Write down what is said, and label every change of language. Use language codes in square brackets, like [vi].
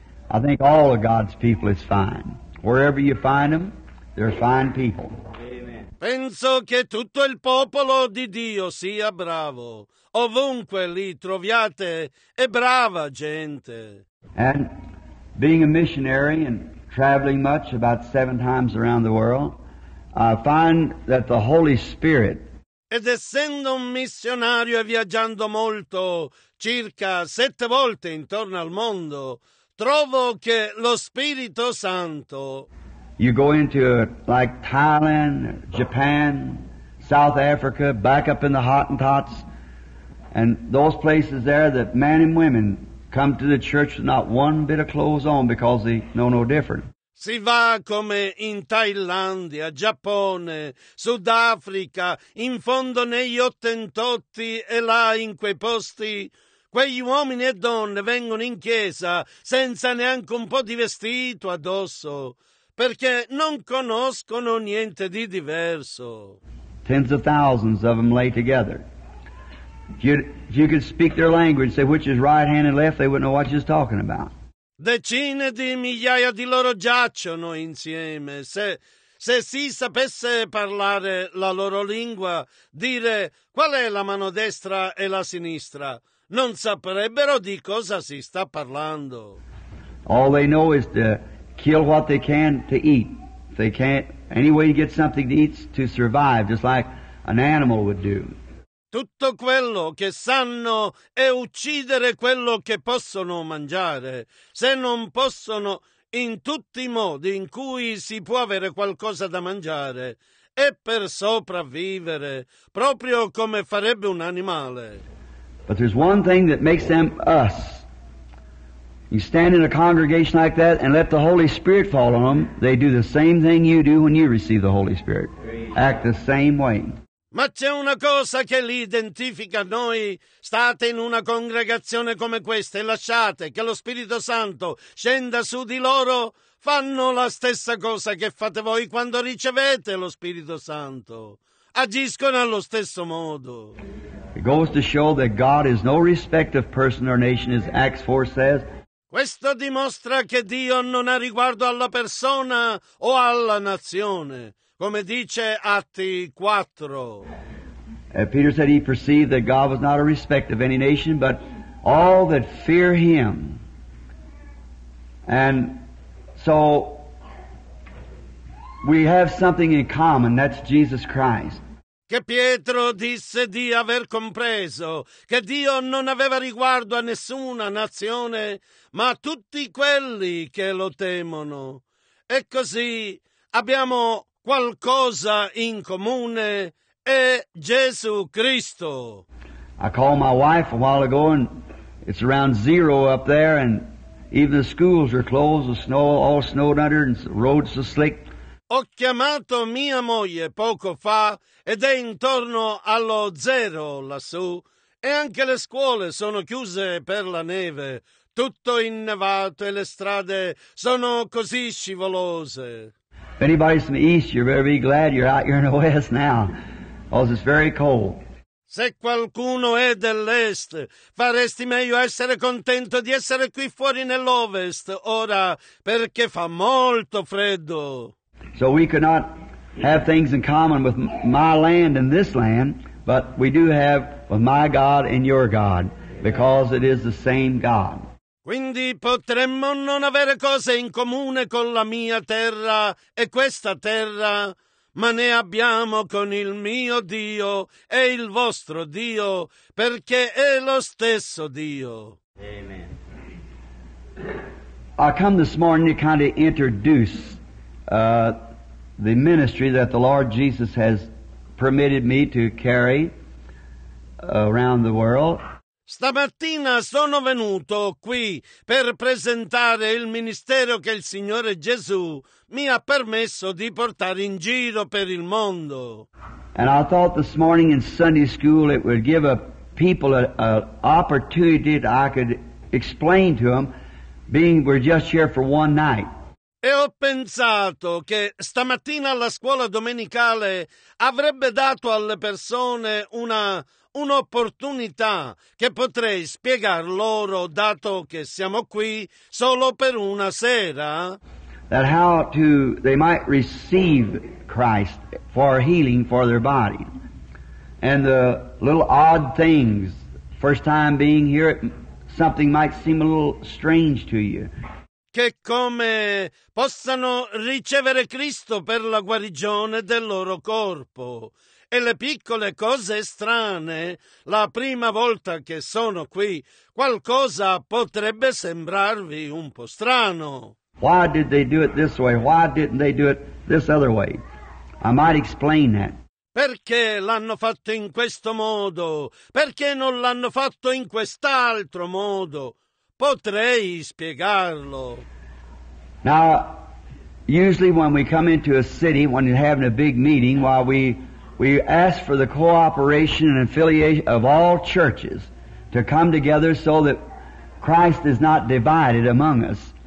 [en] I think all of God's people is fine. Wherever you find them, they're fine people. Amen. [it] Penso che tutto il popolo di Dio sia bravo. Ovunque li troviate, è brava gente. [en] And being a missionary and traveling much, about 7 times around the world, I find that the Holy Spirit. [it] Ed essendo un missionario e viaggiando molto, circa 7 volte intorno al mondo, trovo che lo Spirito Santo. [en] You go into like Thailand, Japan, South Africa, back up in the Hottentots, and those places there that men and women come to the church with not one bit of clothes on because they know no different. [it] Si va come in Thailandia, Giappone, Sudafrica, in fondo negli Ottentotti e là in quei posti, quegli uomini e donne vengono in chiesa senza neanche un po' di vestito addosso, perché non conoscono niente di diverso. [en] Tens of thousands of them lay together. If you could speak their language, say which is right hand and left, they wouldn't know what you're talking about. [it] Decine di migliaia di loro giacciono insieme. Se si sapesse parlare la loro lingua, dire qual è la mano destra e la sinistra, non saprebbero di cosa si sta parlando. [en] All they know is to kill what they can to eat. If they can't, any way to get something to eat to survive, just like an animal would do. [it] Tutto quello che sanno è uccidere quello che possono mangiare. Se non possono, in tutti i modi in cui si può avere qualcosa da mangiare, è per sopravvivere, proprio come farebbe un animale. [en] But there's one thing that makes them us. You stand in a congregation like that and let the Holy Spirit fall on them, they do the same thing you do when you receive the Holy Spirit. Act the same way. [it] Ma c'è una cosa che li identifica noi. State in una congregazione come questa e lasciate che lo Spirito Santo scenda su di loro. Fanno la stessa cosa che fate voi quando ricevete lo Spirito Santo. Agiscono allo stesso modo. [en] It goes to show that God is no respect of person or nation, as Acts 4 says. [it] Questo dimostra che Dio non ha riguardo alla persona o alla nazione. Come dice Atti 4. [en] Peter said he perceived that God was not a respecter of any nation, but all that fear him. And so we have something in common, that's Jesus Christ. [it] che Pietro disse di aver compreso che Dio non aveva riguardo a nessuna nazione, ma a tutti quelli che lo temono. E così abbiamo qualcosa in comune, è Gesù Cristo. [en] I called my wife a while ago, and it's around zero up there, and even the schools are closed, the snow all snowed under, and the roads are slick. [it] Ho chiamato mia moglie poco fa ed è intorno allo zero lassù e anche le scuole sono chiuse per la neve, tutto innevato e le strade sono così scivolose. [en] If anybody's from the east, you better be glad you're out here in the west now, because it's very cold. [it] Se qualcuno è dell'est, faresti meglio essere contento di essere qui fuori nell'ovest ora, perché fa molto freddo. [en] So we could not have things in common with my land and this land, but we do have with my God and your God, because it is the same God. [it] Quindi potremmo non avere cose in comune con la mia terra e questa terra, ma ne abbiamo con il mio Dio e il vostro Dio, perché è lo stesso Dio. [en] Amen. I come this morning to kind of introduce the ministry that the Lord Jesus has permitted me to carry around the world. [it] Stamattina sono venuto qui per presentare il ministero che il Signore Gesù mi ha permesso di portare in giro per il mondo. [en] And I thought this morning in Sunday school it would give a people an opportunity that I could explain to them, being we're just here for one night. [it] E ho pensato che stamattina alla scuola domenicale avrebbe dato alle persone un'opportunità che potrei spiegar loro, dato che siamo qui solo per una sera. [en] That how to they might receive Christ for healing for their body. And the little odd things, first time being here, something might seem a little strange to you. [it] Che come possano ricevere Cristo per la guarigione del loro corpo. E le piccole cose strane, la prima volta che sono qui, qualcosa potrebbe sembrarvi un po' strano. [en] Why did they do it this way? Why didn't they do it this other way? I might explain that. [it] Perché l'hanno fatto in questo modo? Perché non l'hanno fatto in quest'altro modo? Potrei spiegarlo. [en] Now, usually when we come into a city, when you're having a big meeting, while we ask for the cooperation and affiliation of all churches to come together so that Christ is not divided among us.